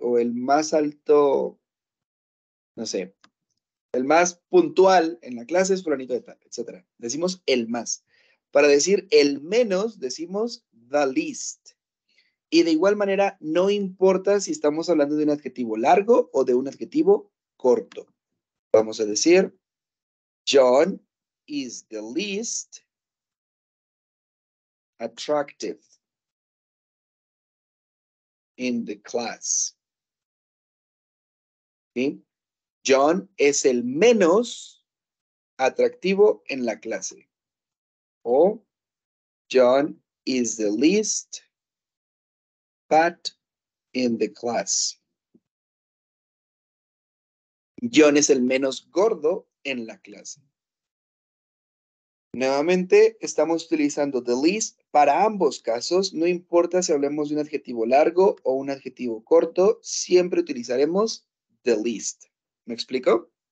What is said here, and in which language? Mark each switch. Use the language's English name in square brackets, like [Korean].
[Spanish] O el más alto, no sé, el más puntual en la clase es fulanito de tal, etc. Decimos el más. Para decir el menos, decimos the least. Y de igual manera, no importa si estamos hablando de un adjetivo largo o de un adjetivo corto. Vamos a decir, [English] John is the least attractive in the class. [Spanish] ¿Sí? John es el menos atractivo en la clase. [English] O John is the least fat in the class. [Spanish] John es el menos gordo en la clase. Nuevamente, estamos utilizando the least para ambos casos. No importa si hablemos de un adjetivo largo o un adjetivo corto, siempre utilizaremos the least. ¿Me explico?